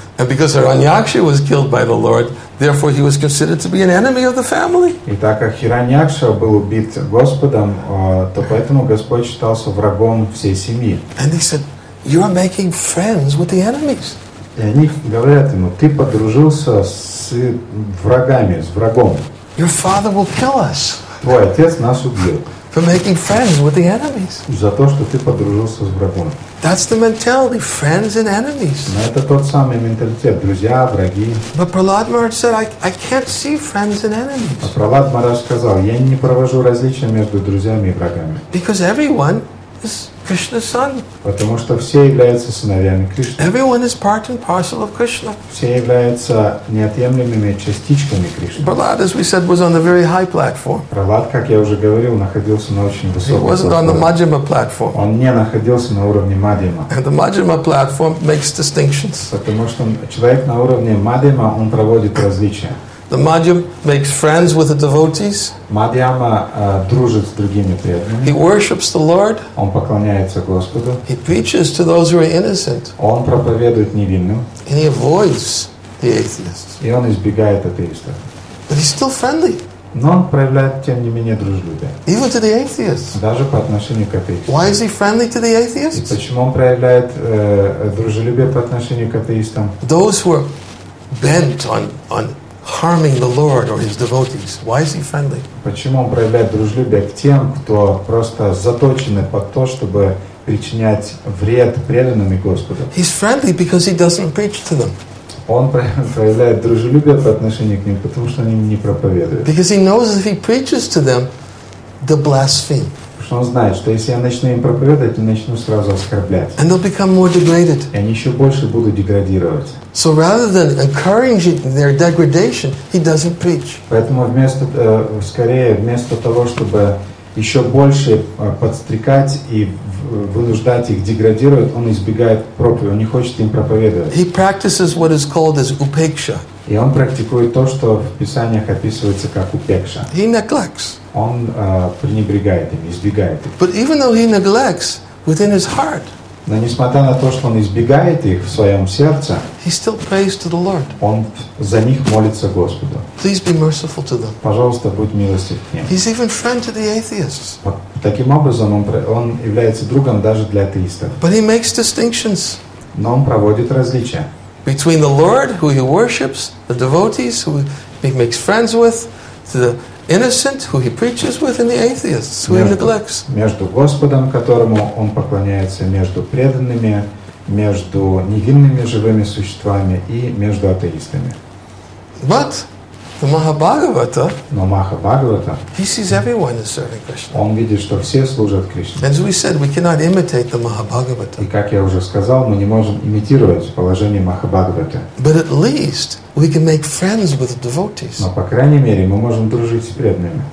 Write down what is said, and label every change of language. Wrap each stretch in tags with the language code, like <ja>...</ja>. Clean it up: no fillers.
<en>And because Hiranyaksha was killed by the Lord, therefore he was considered to be an enemy of the family.</en> <ru>И так как Хираньякша был убит Господом, то поэтому Господь считался врагом всей семьи.</ru> <en>And they said, "You are making friends with the enemies."</en> <ru>И они говорят ему, ты подружился с врагами, с врагом.</ru> <en>Your father will kill us.</en> <ru>Твой отец нас убьет.</ru> <en>For making friends with the enemies.</en> <ru>За то, что ты подружился с врагом.</ru> <en>That's the mentality, friends and enemies.</en> <ru>Но это тот самый менталитет, друзья, враги.</ru> <en>But Prahlad Maharaj said, I can't see friends and enemies.</en> <ru>А Прохлад Махарадж сказал, я не провожу различия между друзьями и врагами.</ru> <en>Because everyone is Krishna's son.</en> <ru>Потому что все являются сыновьями Кришны.</ru> <en>Everyone is part and parcel of Krishna.</en> <ru>Все являются неотъемлемыми частичками Кришны.</ru> <en>Prahlad, as we said, was on the very high platform.</en> <ru>Prahlad, как я уже говорил, находился на очень высоком уровне.</ru> <en>He wasn't on the Madhyama platform.</en> <ru>Он не находился на уровне Мадхьяма.</ru> <en>And the Madhyama platform makes distinctions.</en> <ru>Потому что человек на уровне Мадхьяма, он проводит различия.</ru> <en>The Madhyam makes friends with the devotees.</en> <ru>Мадхьяма дружит с другими преданными.</ru> <en>He worships the Lord.</en> <ru>Он поклоняется Господу.</ru> <en>He preaches to those who are innocent.</en> <ru>Он проповедует невинным.</ru> <en>And he avoids the atheists.</en> <ru>И он избегает атеистов.</ru> <en>But he's still friendly.</en> <ru>Но он проявляет, тем не менее, дружелюбие.</ru> <en>Even to the atheists.</en> <ru>Даже по отношению к атеистам.</ru> <en>Why is he friendly to the atheists?</en> <ru>И почему он проявляет дружелюбие по отношению к атеистам?</ru> <en>Those who are bent on harming the Lord or his devotees. Why is he friendly?</en> <ru>Почему он проявляет дружелюбие к тем, кто просто заточены под то, чтобы причинять вред преданным Господу?</ru> <en>He's friendly because he doesn't preach to them.</en> <ru>Он проявляет дружелюбие по отношению к ним, потому что они не проповедуют.</ru> <en>Because he knows if he preaches to them, they blaspheme.</en> <ru>Что он знает, что если я начну им проповедовать, они начнут сразу оскорблять.</ru> <en>And they'll become more degraded.</en> <ru>И они еще больше будут деградировать.</ru> <en>So rather than encouraging their degradation, he doesn't preach.</en> <ru>Поэтому вместо того, чтобы еще больше подстрекать и вынуждать их деградировать, он избегает проповеди, он не хочет им проповедовать.</ru> <en>He practices what is called as upeksha.</en> <ru>И он практикует то, что в Писаниях описывается как упекша.</ru> <en>He neglects.</en> <ru>Он пренебрегает им, избегает их.</ru> <en>But even though he neglects, within his heart,</en> <ru>но несмотря на то, что он избегает их в своем сердце,</ru> <en>he still prays to the Lord.</en> <ru>Он за них молится Господу.</ru> <en>Please be merciful to them.</en> <ru>Пожалуйста, будь милостив к ним.</ru> <en>He's even friend to the atheists.</en> <ru>Таким образом, он является другом даже для атеистов.</ru> <en>But he makes distinctions.</en> <ru>Но он проводит различия.</ru> <en>Between the Lord, who he worships, the devotees, who he makes friends with, the innocent, who he preaches with, and the atheists, who he neglects.</en> <ru>Между Господом, которому он поклоняется, между преданными, между невинными живыми существами и между атеистами.</ru> <en>But the Mahabhagavata,</en> <ru>но Махабхагавата,</ru> <en>he sees everyone is serving Krishna.</en> <ru>Он видит, что все служат Кришне.</ru> <en>As we said, we cannot imitate the Mahabhagavata.</en> <ru>И как я уже сказал, мы не можем имитировать положение Махабхагавата.</ru> <en>But at least we can make friends with the devotees.</en> <ru>Но по крайней мере мы можем дружить с преданными.</ru>